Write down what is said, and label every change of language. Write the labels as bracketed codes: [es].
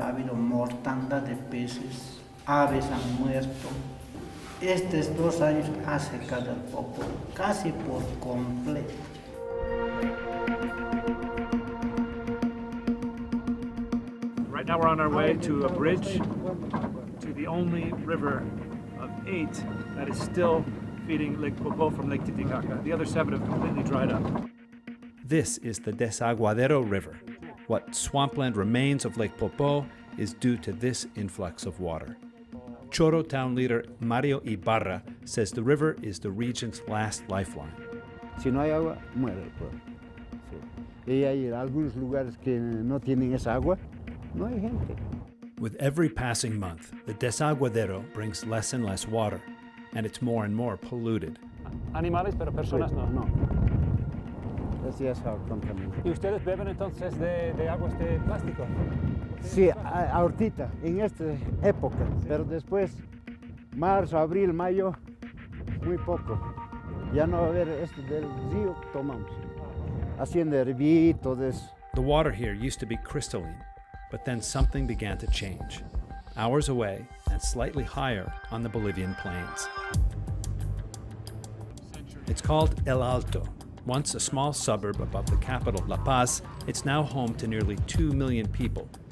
[es] Ha habido mortandad de peces, aves han muerto. Estos dos años ha secado el Popo casi por completo. [en] Right now we're on our way to a bridge to the only river of eight that is still feeding Lake Popo from Lake Titicaca. The other seven have completely dried up. This is the Desaguadero River. What swampland remains of Lake Popo is due to this influx of water. Choro town leader Mario Ibarra says the river is the region's last lifeline. [es] Si no hay agua, muere el pueblo. Sí. Y hay algunos lugares que no tienen esa agua, no hay gente. [en] With every passing month, the Desaguadero brings less and less water, and it's more and more polluted. [es] Animales, pero personas no. No. Es ya esa contaminación. ¿Y ustedes beben entonces de aguas de plástico? Sí, ahorita, en esta época, sí. Pero después, marzo, abril, mayo, muy poco. Ya no va a haber este del río, tomamos. Haciendo herbito, todo eso. [en] The water here used to be crystalline, but then something began to change. Hours away, and slightly higher, on the Bolivian plains. It's called El Alto. Once a small suburb above the capital, La Paz, it's now home to nearly 2 million people.